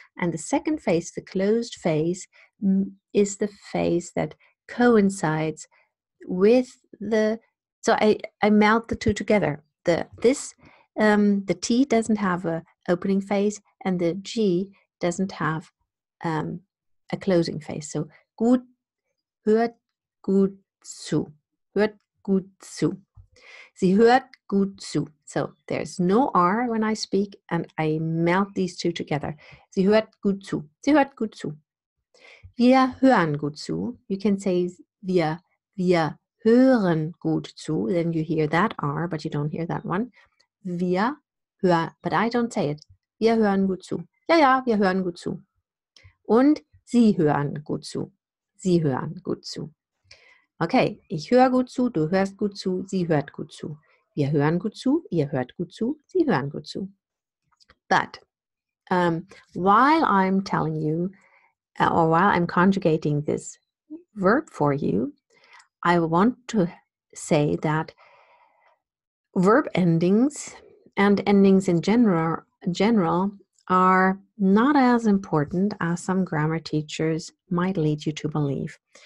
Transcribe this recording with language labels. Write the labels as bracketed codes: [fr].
[en] And the second phase, the closed phase, is the phase that coincides with the, so I melt the two together. The T doesn't have a opening phase, and the G doesn't have a closing phase. [de] So gut, hört gut zu, hört gut zu. Sie hört gut zu. [en] So there's no R when I speak, and I melt these two together. [de] Sie hört gut zu. Sie hört gut zu. Wir hören gut zu. [en] You can say [de] wir hören gut zu. [en] Then you hear that R, but you don't hear that one. [de] Wir hören, [en] but I don't say it. [de] Wir hören gut zu. Ja, ja, wir hören gut zu. Und Sie hören gut zu. Sie hören gut zu. Okay, ich höre gut zu, du hörst gut zu, sie hört gut zu. Wir hören gut zu, ihr hört gut zu, sie hören gut zu. [en] But while I'm telling you, or while I'm conjugating this verb for you, I want to say that verb endings and endings in general are not as important as some grammar teachers might lead you to believe.